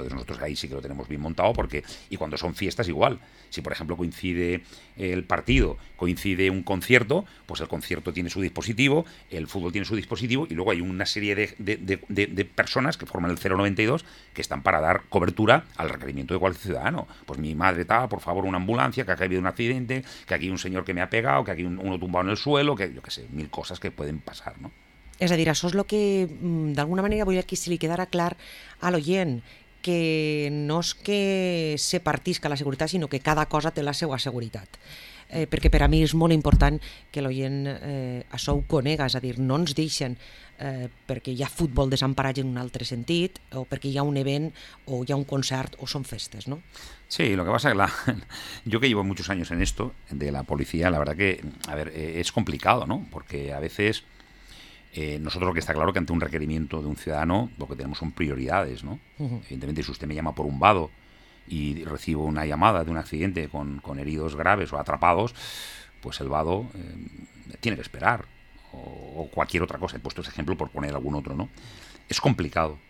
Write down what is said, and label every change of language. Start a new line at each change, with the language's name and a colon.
Spanish: Entonces nosotros ahí sí que lo tenemos bien montado, porque, y cuando son fiestas igual, si por ejemplo coincide el partido, coincide un concierto, pues el concierto tiene su dispositivo, el fútbol tiene su dispositivo, y luego hay una serie de personas que forman el 092, que están para dar cobertura al requerimiento de cualquier ciudadano. Pues mi madre estaba, por favor, una ambulancia, que acá ha habido un accidente, que aquí hay un señor que me ha pegado, que aquí hay uno tumbado en el suelo, que yo qué sé, mil cosas que pueden pasar, ¿no?
Catalan: És a dir, això és el que d'alguna manera vull que se li quedara clar a l'oient, que no és que se partisca la seguretat, sinó que cada cosa té la seva seguretat. Perquè per a mi és molt important que l'oient això ho conega, és a dir, no ens deixen perquè hi ha futbol desemparat en un altre sentit, o perquè hi ha un event, o hi ha un concert, o són festes, no?
Spanish: Sí, lo que pasa es que yo que llevo muchos años en esto, de la policía, la verdad que, a ver, es complicado, ¿no? Porque a veces nosotros lo que está claro que ante un requerimiento de un ciudadano, lo que tenemos son prioridades, ¿no? Uh-huh. Evidentemente, si usted me llama por un vado y recibo una llamada de un accidente con heridos graves o atrapados, pues el vado tiene que esperar, o cualquier otra cosa. He puesto ese ejemplo por poner algún otro, ¿no? Es complicado.